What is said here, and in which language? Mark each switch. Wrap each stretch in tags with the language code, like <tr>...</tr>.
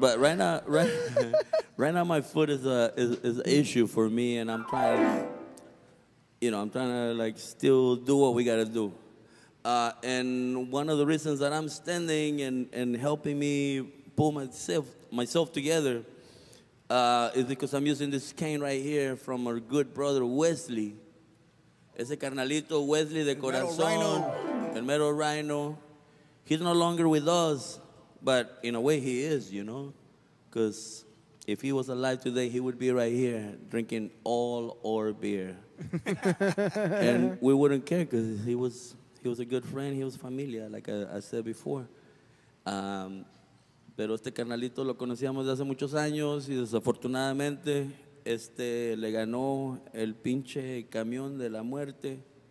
<en>But right now my foot is an issue for me, and I'm trying to, you know, I'm trying to like still do what we gotta do. And one of the reasons that I'm standing and helping me pull myself together is because I'm using this cane right here from our good brother Wesley.</en> <es>Ese carnalito Wesley de corazón, el mero rhino.</es> <en>He's no longer with us, but in a way he is, you know? Because if he was alive today, he would be right here drinking all our beer. And we wouldn't care because he was a good friend. He was familia, like I said before.</en> <es>Pero este carnalito lo conocíamos de hace muchos años y desafortunadamente este le ganó el pinche camión de la muerte.</es>